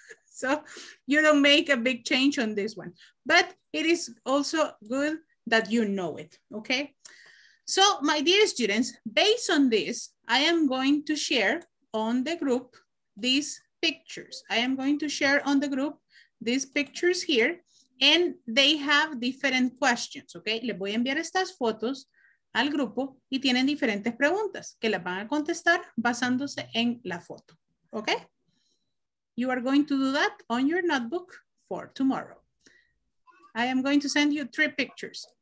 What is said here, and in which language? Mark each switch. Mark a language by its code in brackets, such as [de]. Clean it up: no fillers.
[en] So you don't make a big change on this one. But it is also good that you know it, okay? So my dear students, based on this, I am going to share on the group these pictures. I am going to share on the group these pictures here, and they have different questions, okay? [es] Les voy a enviar estas fotos al grupo y tienen diferentes preguntas que las van a contestar basándose en la foto, okay? [en] You are going to do that on your notebook for tomorrow. I am going to send you three pictures.